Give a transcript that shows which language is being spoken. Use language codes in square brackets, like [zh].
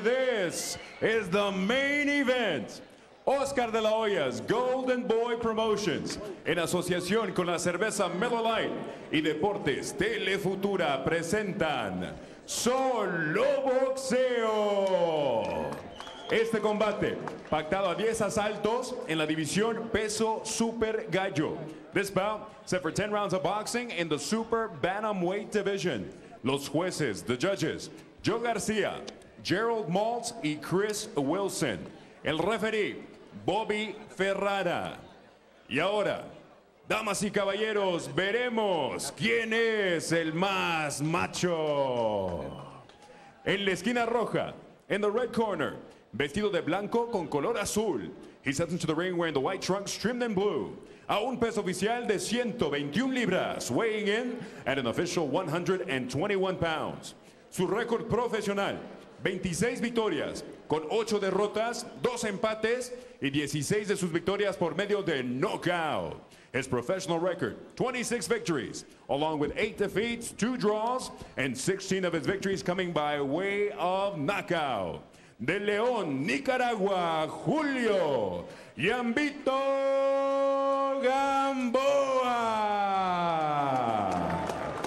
[en] This is the main event. [es] Oscar de la Hoya's Golden Boy Promotions, en asociación con la cerveza Miller Lite y Deportes Telefutura, presentan Solo Boxeo. Este combate, pactado a 10 asaltos en la división peso super gallo. [en] This bout set for 10 rounds of boxing in the super bantamweight division. [es] Los jueces, [en] the judges, [es] Joe García, Gerald Maltz y Chris Wilson. El referee, Bobby Ferrara. Y ahora, damas y caballeros, veremos quién es el más macho. En la esquina roja, [en] in the red corner, [es] vestido de blanco con color azul. [en] He steps into the ring wearing the white trunks trimmed in blue. [es] A un peso oficial de 121 libras, [en] weighing in at an official 121 pounds. [es] Su récord profesional, 26 victorias con 8 derrotas, 2 empates y 16 de sus victorias por medio de knockout. [en] His professional record, 26 victories, along with 8 defeats, 2 draws, and 16 of his victories coming by way of knockout. [es] De León, Nicaragua, Julio Yambito Gamboa.